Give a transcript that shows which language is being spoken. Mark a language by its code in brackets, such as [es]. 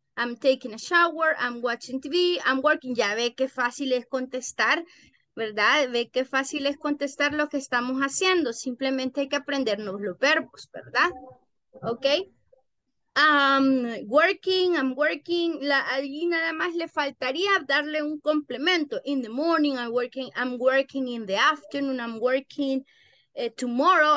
[en] I'm taking a shower, I'm watching TV, I'm working. [es] Ya ve qué fácil es contestar, ¿verdad? Ve qué fácil es contestar lo que estamos haciendo. Simplemente hay que aprendernos los verbos, ¿verdad? Ok. I'm working. Allí nada más le faltaría darle un complemento. [en] In the morning, I'm working in the afternoon, I'm working tomorrow.